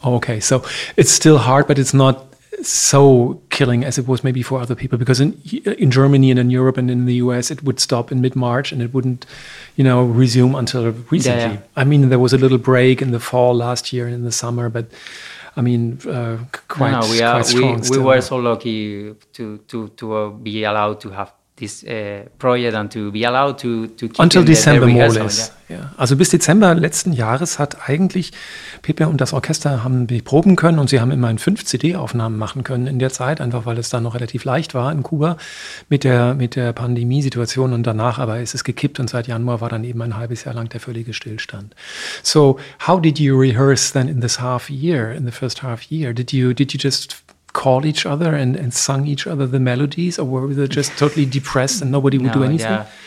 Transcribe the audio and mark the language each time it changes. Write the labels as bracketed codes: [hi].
[en] Okay, so it's still hard, but it's not so killing as it was maybe for other people, because in Germany and in Europe and in the US it would stop in mid-March and it wouldn't, you know, resume until recently. Yeah, yeah. I mean, there was a little break in the fall last year and in the summer, but I mean, we were so lucky to be allowed to have this project and to be allowed to keep until December more or less. [de] Also bis Dezember letzten Jahres hat eigentlich Pepe und das Orchester haben proben können, und sie haben immerhin 5 CD-Aufnahmen machen können in der Zeit, einfach weil es da noch relativ leicht war in Kuba mit der Pandemiesituation, und danach aber ist es gekippt und seit Januar war dann eben ein halbes Jahr lang der völlige Stillstand. [en] So how did you rehearse then in this half year, in the first half year? Did you just call each other and sung each other the melodies, or were they just totally depressed and nobody would do anything?